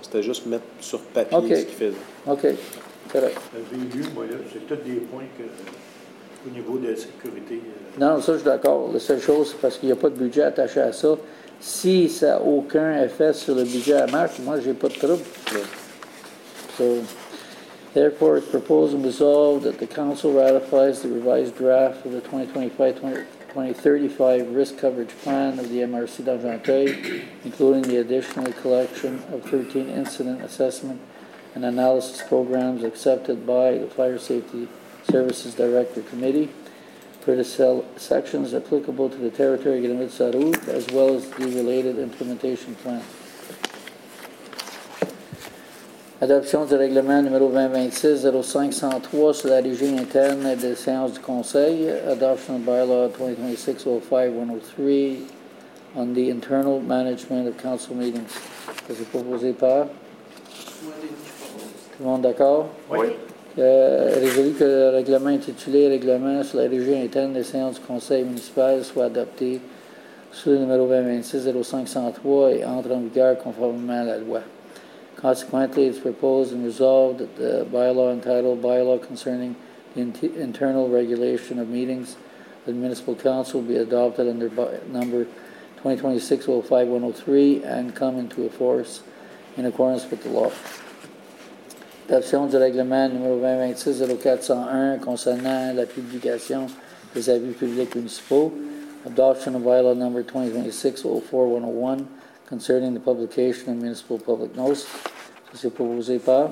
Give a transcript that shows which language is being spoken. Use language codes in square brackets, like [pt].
[fr] C'était juste mettre sur papier ce qu'il faisait. OK. Correct. C'est tous des points que, au niveau de la sécurité. Non, ça, je suis d'accord. La seule chose, c'est parce qu'il n'y a pas de budget attaché à ça. Si ça n'a aucun effet sur le budget à Marc, moi, je n'ai pas de trouble. [en] Therefore, it proposes and resolved that the Council ratifies the revised draft of the 2025-2035 risk coverage plan of the MRC d'Argenteuil, including the additional collection of 13 incident assessment and analysis programs accepted by the Fire Safety Services Director Committee for the sections applicable to the territory of Granville-sous-la-Rouge, as well as the related implementation plan. [fr] Adoption du règlement numéro 2026-0503 sur la régie interne des séances du Conseil. [en] Adoption of bylaw 2026-05-103 on the internal management of council meetings. [fr] Est-ce proposé par? Tout le monde d'accord? Oui. Résolu que le règlement intitulé règlement sur la régie interne des séances du Conseil municipal soit adopté sous le numéro 2026-0503 et entre en vigueur conformément à la loi. [en] Consequently, it is proposed and resolved that the bylaw entitled Bylaw Concerning the Internal Regulation of Meetings of the Municipal Council be adopted under number 2026-05-103 and come into force in accordance with the law. [fr] Adoption du règlement numéro 2026-0401 concernant la publication des avis publics municipaux. [en] Adoption of bylaw number 2026-04-101 concerning the publication of municipal public notice. [fr] C'est proposé par?